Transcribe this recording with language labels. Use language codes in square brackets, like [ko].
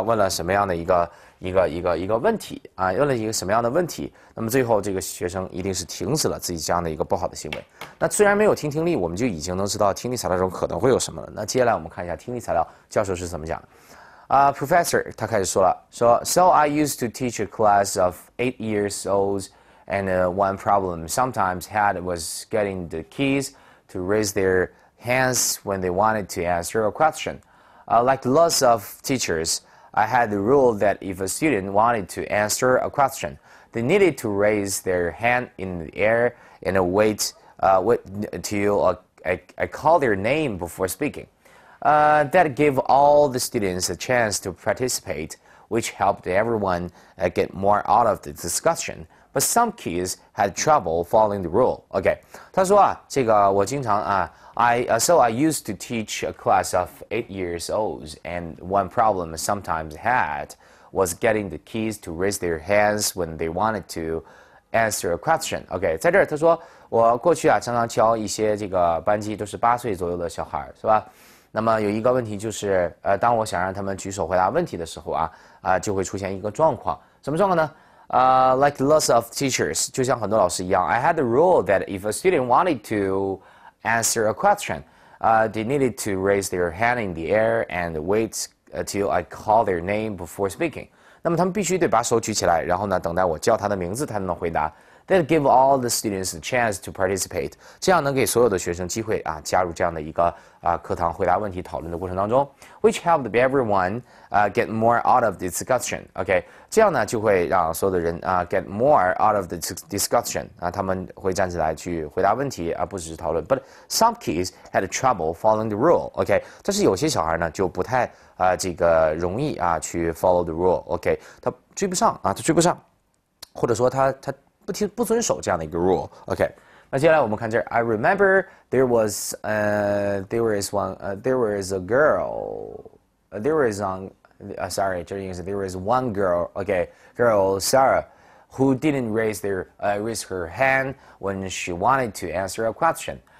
[zh] 问了什么样的一个问题啊？问了一个什么样的问题？那么最后这个学生一定是停止了自己这样的一个不好的行为。那虽然没有听听力，我们就已经能知道听力材料中可能会有什么了。那接下来我们看一下听力材料，教授是怎么讲的。 [en] Professor, [zh] 他开始说了，说 [en] So I used to teach a class of 8 years old, and one problem sometimes had was getting the kids to raise their hands when they wanted to answer a question. Like lots of teachers, I had the rule that if a student wanted to answer a question, they needed to raise their hand in the air and wait until I call their name before speaking. That gave all the students a chance to participate, which helped everyone get more out of the discussion. But some kids had trouble following the rule. Okay, [zh] 他说啊，这个我经常啊 [en] I used to teach a class of 8 years old, and one problem I sometimes had was getting the kids to raise their hands when they wanted to answer a question. [zh] Okay, 在这儿他说我过去啊常常教一些这个班级都是8岁左右的小孩，是吧？那么有一个问题就是，当我想让他们举手回答问题的时候啊，就会出现一个状况，什么状况呢？ [en] Like lots of teachers, [zh] 就像很多老师一样 [en] ，I had the rule that if a student wanted to answer a question, they needed to raise their hand in the air and wait until I call their name before speaking. [zh] 那么他们必须得把手举起来，然后呢，等待我叫他的名字，他才能回答。 [en] That give all the students a chance to participate. [zh] 这样能给所有的学生机会啊，加入这样的一个啊课堂回答问题讨论的过程当中。 [en] Which helped everyone get more out of the discussion. [zh] Okay, 这样呢就会让所有的人啊 [en] get more out of the discussion. [zh] 啊，他们会站起来去回答问题啊，不只是讨论。 [en] But some kids had trouble following the rule. [zh] Okay, 但是有些小孩呢就不太这个容易啊去 [en] follow the rule. [zh] Okay, 他追不上啊，他追不上，或者说他。不遵守这样的一个 rule, OK. 那接下来我们看这儿 [en] ，I remember there was one girl, OK, girl Sarah, who didn't raise her hand when she wanted to answer a question.